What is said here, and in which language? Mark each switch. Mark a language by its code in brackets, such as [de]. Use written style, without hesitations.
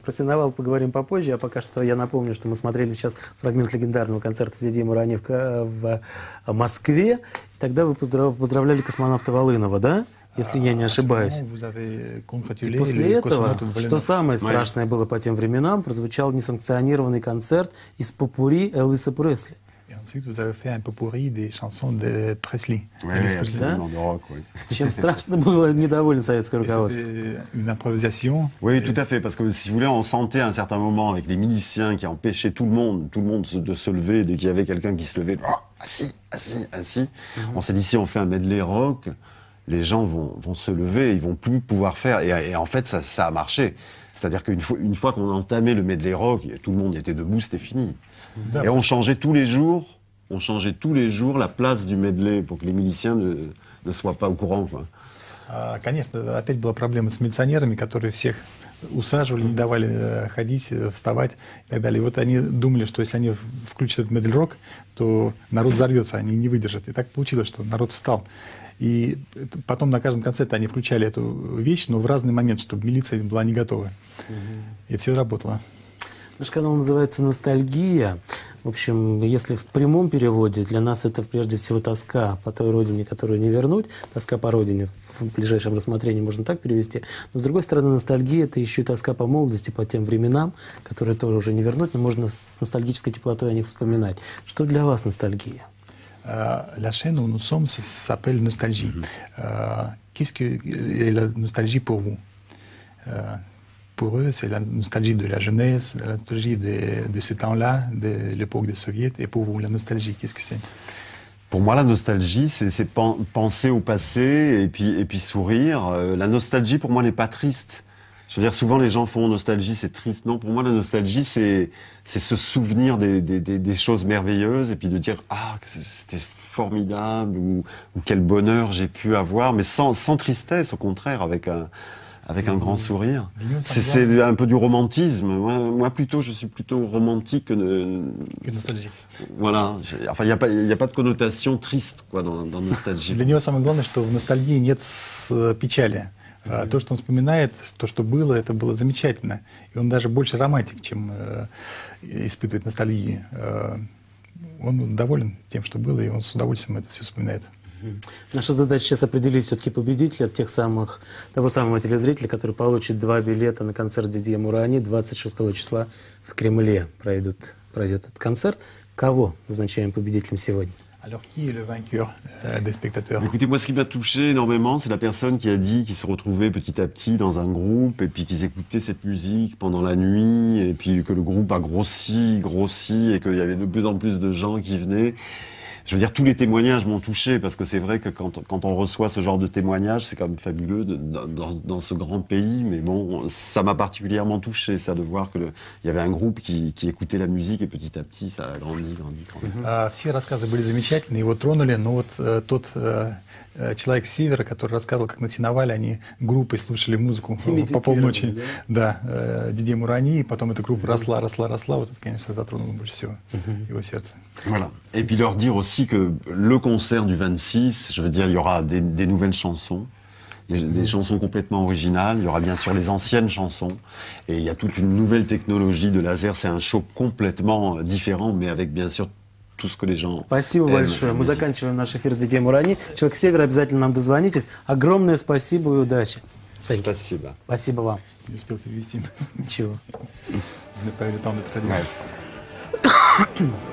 [ru] Про Сеновал поговорим попозже. А пока что я напомню, что мы смотрели сейчас фрагмент легендарного концерта Дидье Мурани в Москве. И тогда вы поздравляли космонавта Волынова, да? Если я не ошибаюсь. И после этого, что самое страшное было по тем временам, прозвучал несанкционированный концерт из попурри Элвиса Пресли. [fr] Ensuite, vous avez fait un pot-pourri des chansons de Presley. Oui, absolument, de rock, oui. [ru] Чем страшно было недовольно советское руководство. [fr] C'était une improvisation. Oui, tout à fait, parce que si vous voulez, on sentait à un certain moment avec les miliciens qui empêchaient tout le monde de se lever, dès qu'il y avait quelqu'un qui se levait, assis. On s'est dit, si on fait un medley rock, les gens vont se lever, ils vont plus pouvoir faire. Et en fait, ça a marché. C'est-à-dire qu'une fois qu'on a entamé le medley rock, tout le monde était debout, c'était fini. Et on changeait tous les jours la place du medley pour que les miliciens ne soient pas au courant. [ru] Конечно, опять была проблема с милиционерами, которые всех усаживали, не давали ходить, вставать и так далее. И вот они думали, что если они включат этот medley rock, то народ взорвется, они не выдержат. И так получилось, что народ встал. И потом на каждом концерте они включали эту вещь, но в разный момент, чтобы милиция была не готова. И все работало. Наш канал называется «Ностальгия». В общем, если в прямом переводе, для нас это прежде всего тоска по той родине, которую не вернуть. Тоска по родине в ближайшем рассмотрении можно так перевести. Но, с другой стороны, ностальгия – это еще и тоска по молодости, по тем временам, которые тоже уже не вернуть, но можно с ностальгической теплотой о них вспоминать. Что для вас ностальгия? [fr] La chaîne où nous sommes s'appelle Nostalgie. Qu'est-ce que est la nostalgie pour vous? Pour eux, c'est la nostalgie de la jeunesse, la nostalgie de ce temps-là, de l'époque des soviets. Et pour vous, la nostalgie, qu'est-ce que c'est? Pour moi, la nostalgie, c'est penser au passé et puis sourire. La nostalgie, pour moi, n'est pas triste. Je veux dire, souvent, les gens font nostalgie, c'est triste. Non, pour moi, la nostalgie, c'est se souvenir des choses merveilleuses et puis de dire, ah, c'était formidable ou quel bonheur j'ai pu avoir, mais sans tristesse, au contraire, avec un grand sourire. C'est un peu du romantisme. Moi plutôt, je suis plutôt romantique que nostalgique. Voilà. Enfin, il n'y a pas de connotation triste quoi, dans nostalgie. [ru] Для него самое главное, что в ностальгии нет печали. То, что он вспоминает, то, что было, это было замечательно. И он даже больше романтик, чем испытывает ностальгию. Он доволен тем, что было, и он с удовольствием это все вспоминает. Наша задача сейчас определить все-таки победителя того самого телезрителя, который получит 2 билета на концерт Дидье Мурани 26 числа в Кремле. Пройдет этот концерт. Кого назначаем победителем сегодня? [fr] Alors, qui est le vainqueur des spectateurs? Écoutez, moi, ce qui m'a touché énormément, c'est la personne qui a dit qu'ils se retrouvaient petit à petit dans un groupe et puis qu'ils écoutaient cette musique pendant la nuit et puis que le groupe a grossi et qu'il y avait de plus en plus de gens qui venaient. Je veux dire, tous les témoignages m'ont touché parce que c'est vrai que quand on reçoit ce genre de témoignages, c'est quand même fabuleux dans ce grand pays. Mais bon, ça m'a particulièrement touché, ça, de voir qu'il y avait un groupe qui écoutait la musique et petit à petit, ça a grandi. [ru] Все рассказы были замечательные, его тронули, но вот тот человек с севера, который рассказывал, как на Синовале они группой слушали музыку по полночи, да, Дидье Мурани, и потом эта группа росла, вот это, конечно, затронуло больше всего его сердце. [fr] Voilà. Et puis leur dire aussi que le concert du 26, je veux dire, il y aura des nouvelles chansons, des chansons complètement originales, il y aura bien sûr les anciennes chansons, et il y a toute une nouvelle technologie de laser, c'est un show complètement différent, mais avec bien sûr tout ce que les gens [ru] Спасибо большое, мы заканчиваем наш эфир с Дидье Мурани. Человек с севера, обязательно нам дозвонитесь. Огромное спасибо и удачи. Спасибо. Спасибо вам. Не успел перевести. Ничего. Не поверю, там это ходить.